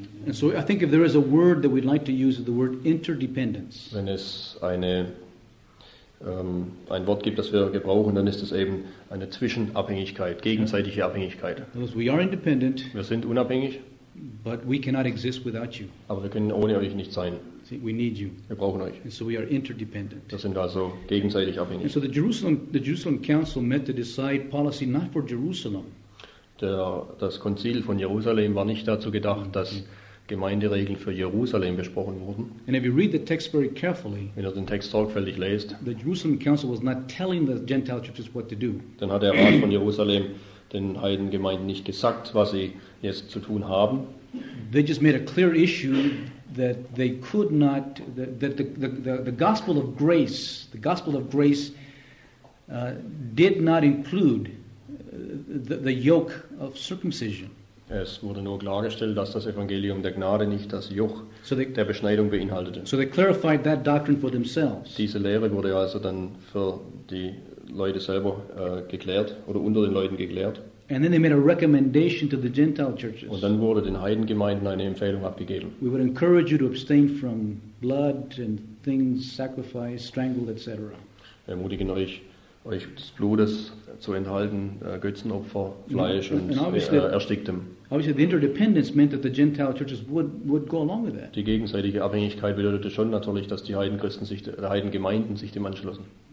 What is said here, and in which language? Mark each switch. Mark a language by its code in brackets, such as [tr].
[en] And so I think if there is a word that we'd like to use, the word interdependence. [de] Wenn es ein Wort gibt, das wir gebrauchen, dann ist es eben eine Zwischenabhängigkeit, gegenseitige Abhängigkeit. [en] We are independent. [de] Wir sind unabhängig. [en] But we cannot exist without you. [de] Aber wir können ohne euch nicht sein. [en] See, we need you. [de] Wir brauchen euch. [en] And so we are interdependent. [de] Wir sind also gegenseitig abhängig. [en] And so the Jerusalem Council met to decide policy not for Jerusalem. [de] Das Konzil von Jerusalem war nicht dazu gedacht, dass Gemeinderegeln für Jerusalem besprochen wurden. [en] And if you read the text very carefully, [de] wenn ihr den Text sorgfältig lest, [en] the Jerusalem Council was not telling the Gentile churches what to do. [de] Dann hat der Rat von Jerusalem den Heidengemeinden nicht gesagt, was sie jetzt zu tun haben. [en] They just made a clear issue that they could not, that the gospel of grace, the gospel of grace did not include the yoke of circumcision. [de] Es wurde nur klargestellt, dass das Evangelium der Gnade nicht das Joch der Beschneidung beinhaltete. [en] So they clarified that doctrine for themselves. [de] Diese Lehre wurde also dann für die Leute selber geklärt oder unter den Leuten geklärt. [en] And then they made a recommendation to the Gentile churches. [de] Und dann wurde den Heidengemeinden eine Empfehlung abgegeben. [en] We would encourage you to abstain from blood and things sacrificed, strangled, etc. [de] Wir ermutigen euch des Blutes zu enthalten, Götzenopfer, Fleisch und Ersticktem. [en] Obviously, the interdependence meant that the Gentile churches would go along with that. [de] Die gegenseitige Abhängigkeit bedeutete schon natürlich, dass die Heidenchristen sich, die Heidengemeinden sich dem anschlossen.